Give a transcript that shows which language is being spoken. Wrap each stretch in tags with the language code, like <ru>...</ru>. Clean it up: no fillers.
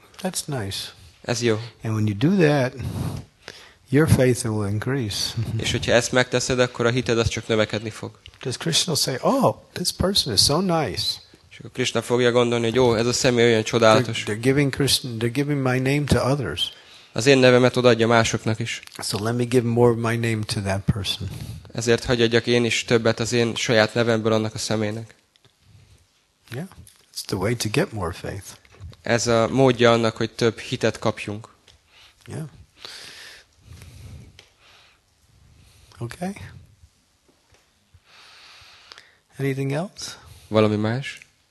<en>That's nice.</en> <hu>Ez jó.</hu> <en>And when you do that, your faith will increase.</en> <hu>És hogyha ezt megteszed, akkor a hited az csak növekedni fog.</hu> <en>Does Krishna say, oh, this person is so nice.</en> <hu>És akkor Krishna fogja gondolni, hogy jó, ez a személy olyan csodálatos.</hu> <en>They're giving my name to others.</en> <hu>Az én nevemet odaadja másoknak is.</hu> <en>So let me give more of my name to that person.</en> <hu>Ezért hagy adjak én is többet az én saját nevemből annak a személynek.</hu> <en>Yeah, it's the way to get more faith.</en> <hu>Ez a módja annak, hogy több hitet kapjunk.</hu> <en>Yeah. Okay. Anything else?</en> <hu>Valami más?</hu>